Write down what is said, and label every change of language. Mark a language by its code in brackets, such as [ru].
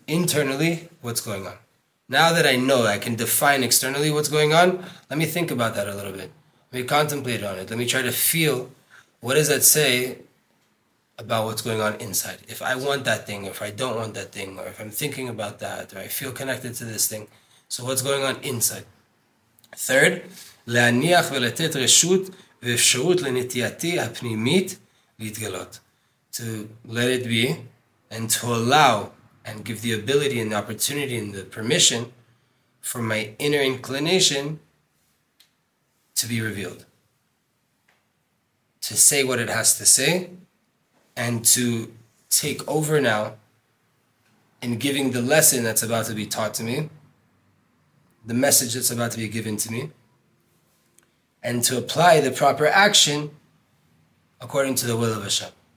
[en] Internally, what's going on? Now that I know I can define externally what's going on, let me think about that a little bit. Let me contemplate on it. Let me try to feel, what does that say about what's going on inside? If I want that thing, if I don't want that thing, or if I'm thinking about that, or I feel connected to this thing. So what's going on inside? [he] Third, להניח ולתת רשות ואפשרות לנטייתי הפנימית להתגלות. [en] To let it be, and to allow and give the ability and the opportunity and the permission for my inner inclination to be revealed. To say what it has to say, and to take over now in giving the lesson that's about to be taught to me, the message that's about to be given to me, and to apply the proper action according to the will of Hashem.